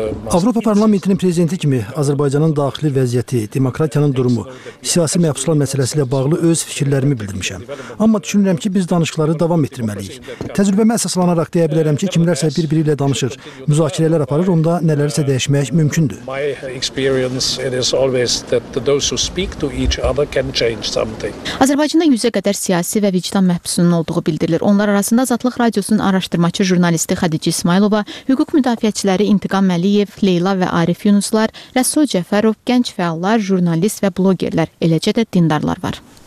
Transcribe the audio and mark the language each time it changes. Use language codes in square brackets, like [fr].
[az] Avropa Parlamentinin prezidenti kimi Azərbaycanın daxili vəziyyəti, demokratiyanın durumu, siyasi məhbuslar məsələsi ilə bağlı öz fikirlərimi bildirmişəm. Amma düşünürəm ki, biz danışıqları davam etdirməliyik. Təcrübəmə əsaslanaraq deyə bilərəm ki, kimlərsə bir-biri ilə danışır, müzakirələr aparır, onda nələrisə dəyişmək mümkündür. [en] My experience is always that those who speak to each other can change something. [az] Azərbaycanda 100-ə qədər siyasi və vicdan məhbusu olduğu bildirilir. Onlar arasında Azadlıq Radiosunun araşdırmaçı jurnalisti Xadicə İsmayılova, hüquq müdafiəçiləri İntiqam Əliyev, Leyla və Arif Yunuslar, Rəsul Cəfərov, gənc fəallar, jurnalist və blogerlər, eləcə də dindarlar var.